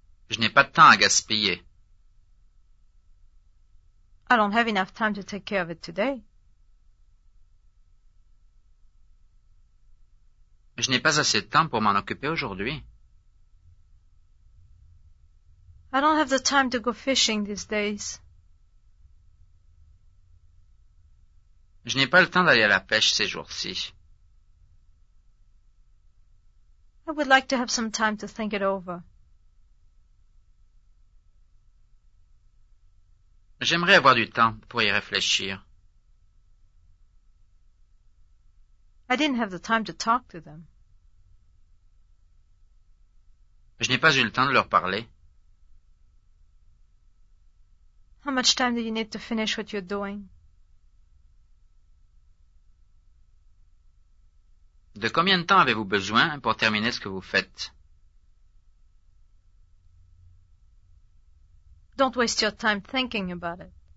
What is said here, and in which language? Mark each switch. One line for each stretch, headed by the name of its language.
French: Je n'ai pas de temps à gaspiller.
English: I don't have enough time to take care of it today.
French: Je n'ai pas assez de temps pour m'en occuper aujourd'hui.
English: I don't have the time to go fishing these days.
French: Je n'ai pas le temps d'aller à la pêche ces jours-ci.
English: I would like to have some time to think it over.
French: J'aimerais avoir du temps pour y réfléchir.
English: I didn't have the time to talk to them.
French: Je n'ai pas eu le temps de leur parler.
English: How much time do you need to finish what you're doing?
French: De combien de temps avez-vous besoin pour terminer ce que vous faites?
English: Don't waste your time thinking about it.